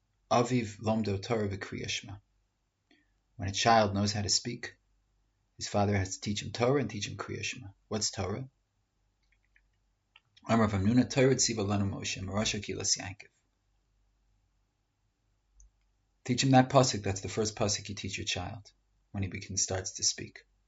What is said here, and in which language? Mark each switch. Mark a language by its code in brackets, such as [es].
[he] אביו לומדו תורה וקריאה שמע. [en] When a child knows how to speak, his father has to teach him Torah and teach him קריאה שמע. What's Torah? [he] אמר רב נונה, תורה ציווה לנו משה, מראשו קהילת יעקב. [en] Teach him that pasuk. That's the first pasuk you teach your child when he begins starts to speak.